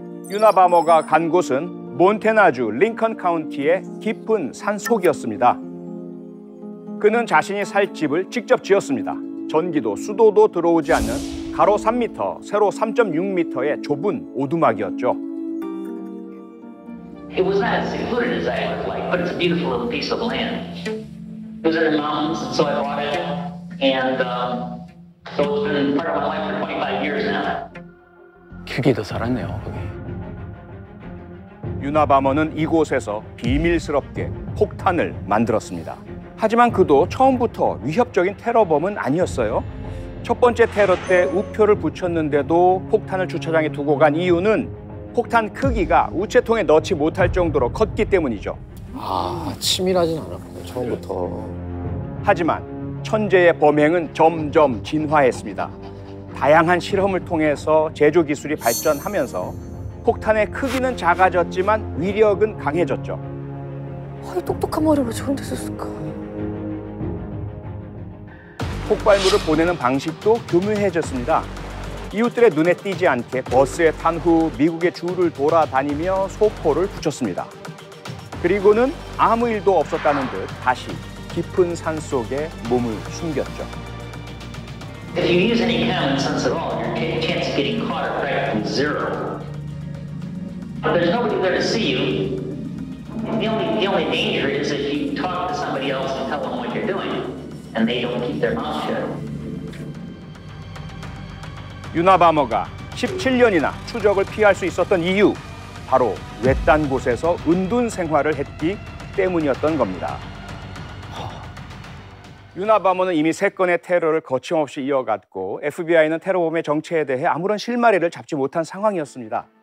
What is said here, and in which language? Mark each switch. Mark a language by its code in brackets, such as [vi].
[ko] 유나 바머가 간 곳은 몬테나주 링컨 카운티의 깊은 산속이었습니다. 그는 자신이 살 집을 직접 지었습니다. 전기도 수도도 들어오지 않는 가로 3m, 세로 3.6m의 좁은 오두막이었죠. [en] It was not as secluded as I would like, but it's a beautiful little piece of land. It was in the mountains, and so I bought it. And so it's been part of my life for 25 years now. [ko] 크기도 살았네요, 거기. 유나 바머는 이곳에서 비밀스럽게 폭탄을 만들었습니다. 하지만 그도 처음부터 위협적인 테러범은 아니었어요. 첫 번째 테러 때 우표를 붙였는데도 폭탄을 주차장에 두고 간 이유는 폭탄 크기가 우체통에 넣지 못할 정도로 컸기 때문이죠. 아, 치밀하진 않았군요, 처음부터. 하지만 천재의 범행은 점점 진화했습니다. 다양한 실험을 통해서 제조 기술이 발전하면서 폭탄의 크기는 작아졌지만 위력은 강해졌죠. 아니, 똑똑한 머리 왜 저런 데 썼을까? 폭발물을 보내는 방식도 교묘해졌습니다. 이웃들의 눈에 띄지 않게 버스에 탄 후 미국의 주를 돌아다니며 소포를 붙였습니다. 그리고는 아무 일도 없었다는 듯 다시 깊은 산 속에 몸을 숨겼죠. [en] If you use any common sense at all, your chance of getting caught are practically zero. There's nobody there to see you. The only danger is if you talk to somebody else and tell them what you're doing. And they don't keep their mouth shut. [ko] 유나 바머가 17년이나 추적을 피할 수 있었던 이유, 바로 외딴 곳에서 은둔 생활을 했기 때문이었던 겁니다. 유나 바머는 이미 세 건의 테러를 거침없이 이어갔고 FBI는 테러범의 정체에 대해 아무런 실마리를 잡지 못한 상황이었습니다.